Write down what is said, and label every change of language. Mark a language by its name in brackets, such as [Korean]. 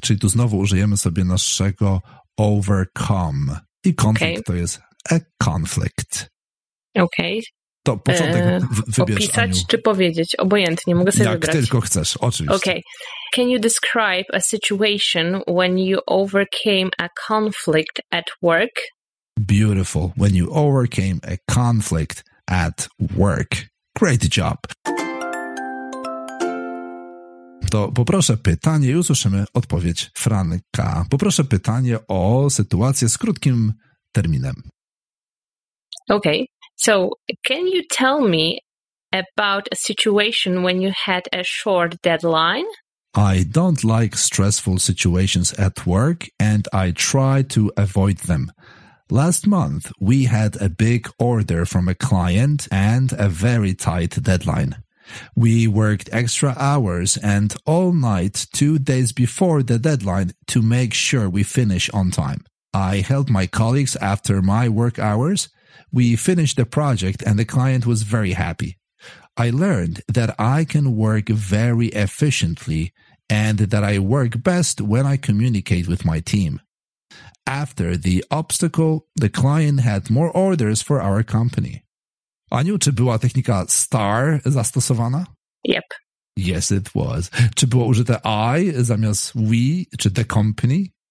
[Polish] Czyli tu znowu użyjemy sobie naszego overcome. I konflikt okay. To jest a conflict. Okej. Okay. To początek wybierz, opisać Aniu. Czy powiedzieć? Obojętnie, mogę sobie jak wybrać. Jak tylko chcesz, oczywiście. Okej. Okay. [English] Can you describe a situation when you overcame a conflict at work? Beautiful. When you overcame a conflict at work. Great job. [Polish] To poproszę pytanie i usłyszymy odpowiedź Franka. Poproszę pytanie o sytuację z krótkim terminem. Okej. Okay. [English] So, can you tell me about a situation when you had a short deadline? I don't like stressful situations at work and I try to avoid them. Last month, we had a big order from a client and a very tight deadline. We worked extra hours and all night 2 days before the deadline to make sure we finish on time. I helped my colleagues after my work hours. We finished the project and the client was very happy. I learned that I can work very efficiently and that I work best when I communicate with my team. After the obstacle, the client had more orders for our company. [Polish] Aniu, czy była technika STAR zastosowana? [English] Yep. Yes, it was. [Polish] Czy było użyte I zamiast we, czy the company?